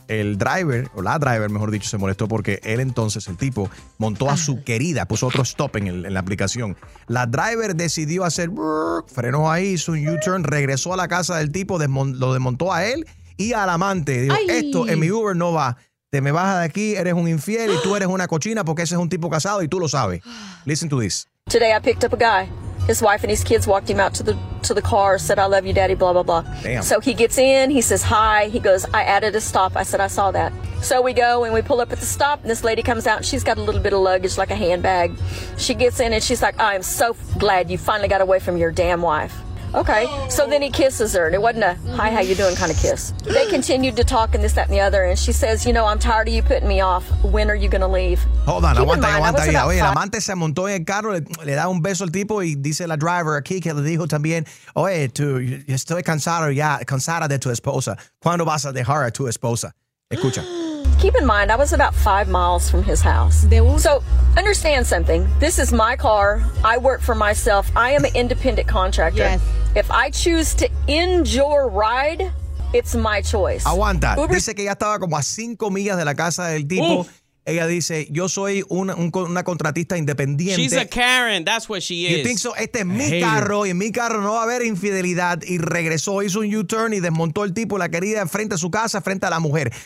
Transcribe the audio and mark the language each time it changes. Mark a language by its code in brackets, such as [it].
[es] El driver, o la driver, mejor dicho, se molestó porque él entonces, el tipo, montó a su querida, puso otro stop en la aplicación. La driver decidió hacer, frenó ahí, hizo un U-turn, regresó a la casa del tipo, lo desmontó a él y al amante. Dijo, esto en mi Uber no va. Te me bajas de aquí, eres un infiel y tú eres una cochina porque ese es un tipo casado y tú lo sabes. [en] Listen to this. Today I picked up a guy. His wife and his kids walked him out to the car, said, I love you, daddy, blah, blah, blah. Damn. So he gets in, he says, hi. He goes, I added a stop. I said, I saw that. So we go and we pull up at the stop and this lady comes out and she's got a little bit of luggage, like a handbag. She gets in and she's like, I am so glad you finally got away from your damn wife. Okay, so then he kisses her, and it wasn't a, hi, how you doing kind of kiss. They continued to talk and this, that, and the other, and she says, you know, I'm tired of you putting me off. When are you going to leave? Hold on, aguanta. [es] Oye, el amante se montó en el carro, le da un beso al tipo, y dice la driver aquí que le dijo también, oye, tú, estoy cansado ya, cansada de tu esposa. ¿Cuándo vas a dejar a tu esposa? Escucha. [en] Keep in mind, I was about 5 miles from his house. So understand something. This is my car. I work for myself. I am an independent contractor. Yes. If I choose to end your ride, it's my choice. [es] Aguanta. Uber. Dice que ya estaba como a 5 millas de la casa del tipo. Oof. Ella dice, yo soy una contratista independiente. [en] She's a Karen, that's what she is. You think so? [es] Este es mi carro y en mi carro no va a haber infidelidad. Y regresó, hizo un U-turn y desmontó el tipo, la querida, frente a su casa, frente a la mujer.